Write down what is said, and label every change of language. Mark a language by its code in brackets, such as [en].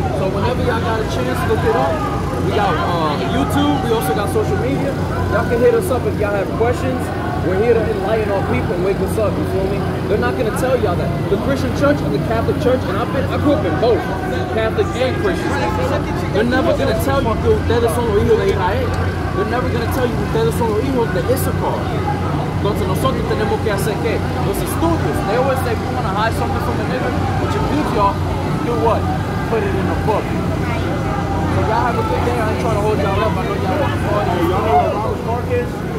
[en] So whenever y'all got a chance, look it up. We got YouTube, we also got social media. Y'all can hit us up if y'all have questions. We're here to enlighten our people and wake us up, you feel me? They're not gonna tell y'all that. The Christian church and the Catholic church, and I grew up in both, Catholic and Christian. They're never gonna tell you the [es] ustedes son los hijos de Israel. [en] They're never gonna tell you [es] ustedes son los hijos de Issachar. Entonces nosotros tenemos que hacer que los estudios. [en] They always say, if you wanna hide something from a nigga, which you do, y'all, do what? Put it in a book. So y'all have a good day. I ain't trying to hold y'all up. I know y'all want to party. Y'all know where Raleigh Park is?